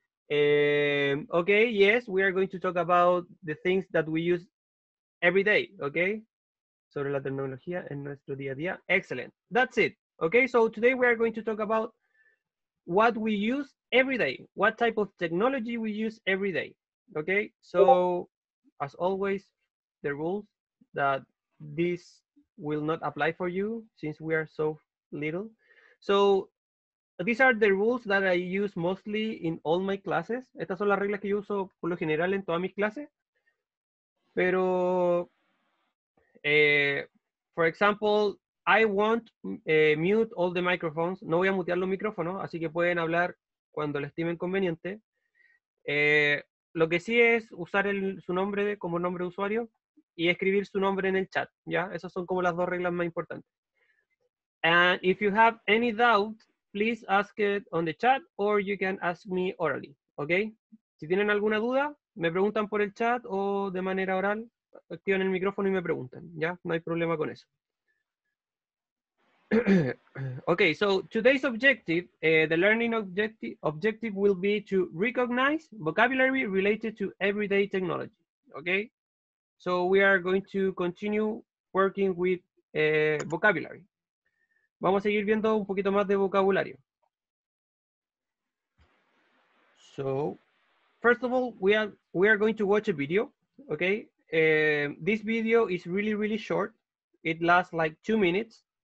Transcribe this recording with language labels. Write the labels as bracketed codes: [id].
[en] Okay, yes, we are going to talk about the things that we use every day, okay? [es] Sobre la tecnología en nuestro día a día. [en] Excellent. That's it. Okay, so today we are going to talk about what we use every day, what type of technology we use every day. Okay, so as always, the rules that this will not apply for you since we are so little. So these are the rules that I use mostly in all my classes. [es] Estas son las reglas que yo uso por lo general en todas mis clases. [en] Pero, for example, I won't mute all the microphones. [es] No voy a mutear los micrófonos, así que pueden hablar cuando les estimen conveniente. Lo que sí es usar su nombre como nombre de usuario y escribir su nombre en el chat. ¿Ya? Esas son como las dos reglas más importantes. [en] And if you have any doubt, please ask it on the chat or you can ask me orally, okay? [es] Si tienen alguna duda, me preguntan por el chat o de manera oral, activan el micrófono y me preguntan, ¿ya? No hay problema con eso. [en] Okay, so today's objective, the learning objective will be to recognize vocabulary related to everyday technology, okay? So we are going to continue working with vocabulary. [es] Vamos a seguir viendo un poquito más de vocabulario. [en] So, first of all, we are going to watch a video, okay? This video is really, really short. It lasts like 2 minutes.